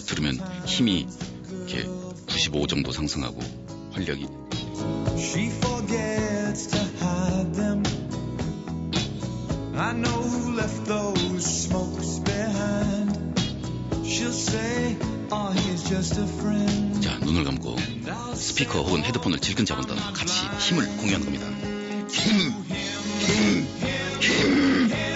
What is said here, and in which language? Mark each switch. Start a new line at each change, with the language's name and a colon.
Korean: 들으면 힘이 이렇게 95 정도 상승하고 활력이
English: She forgets to hide them. I know who left those smokes behind. She'll say, "Oh, he's just a friend."
Korean: 자, 눈을 감고 스피커 혹은 헤드폰을 질끈 잡은 다음 같이 힘을 공유하는 겁니다. 힘, 힘, 힘.